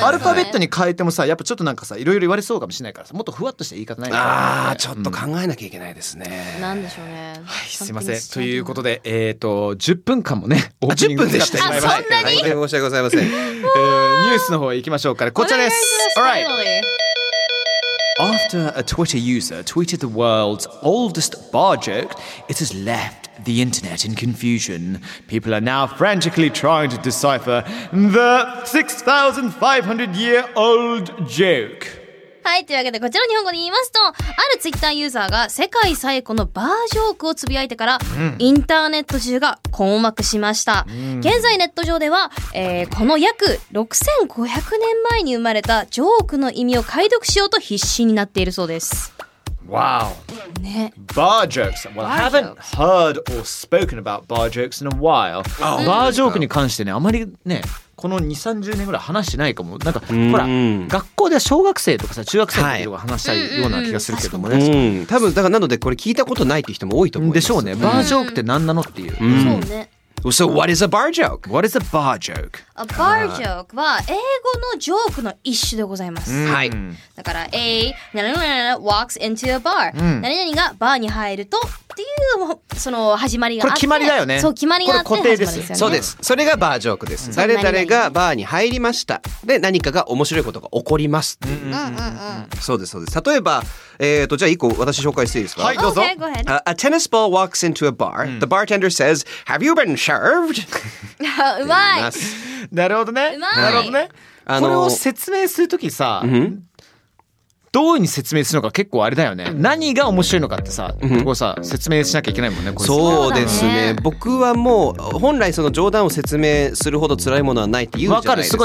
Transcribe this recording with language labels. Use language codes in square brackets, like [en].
[ja] アルファベットに変えてもさ、やっぱちょっとなんかさ、いろいろ言われそうかもしれないからさ、もっとふわっとした言い方ないかな、ね。ああ、ちょっと考えなきゃいけないですね。なんでしょうね。はい、すいません。ということで、10分間もね、オープニング10分でした。あ、そんなに、はい、申し訳ございません。ニュースの方行きましょうか、ね。こちらです。お願いします。 [en] After a Twitter user tweeted the world's oldest bar joke, it has left the internet in confusion. People are now frantically trying to decipher the 6,500-year-old joke. [ja] はい、というわけでこちら日本語で言いますと、ある Twitter ユーザーが世界最古のバージョークをつぶやいてから、インターネット中が困惑しました。現在ネット上では、この約6500年前に生まれたジョークの意味を解読しようと必死になっているそうです。 [en] Wow. [ja] ね。 [en] Bar jokes. Well, I haven't heard or spoken about bar jokes in a while. [ja] バージョークに関してね、あまりね、この2、30年ぐらい話してないかも。なんか、ほら、学校では小学生とかさ、中学生とか話したいような気がするけどもね。はい、うんうん、多分、だからなので、これ聞いたことないって人も多いと思う。でしょうね。バージョークって何なのっていう。うん、そうね。 [en] So what is a bar joke? What is a bar joke? [ja] A bar joke は英語のジョークの一種でございます。はい。だから A 何々 [en] walks into a bar、 [ja] 何々がバーに入るとっていうその始まりがあって、これ決まりだよね。そう、決まりがあって、これ固定です。そうです。それがバージョークです。うん、誰々がバーに入りました、で何かが面白いことが起こりますっていう。うんうんうん、そうですそうです。例えば、じゃあ一個私紹介していいですか。はい、どうぞ。 [en] Okay, go ahead. A tennis ball walks into a bar. The bartender says, "Have you been served?" [ja] うまい。なるほどね。うまい。なるほどね。これを説明するときさ、どういうふうに説明するのか結構あれだよね。何が面白いのかってさ、ここさ説明しなきゃいけないもんね。これそうですね。僕はもう本来その冗談を説明するほど辛いものはないって言うじゃないですか。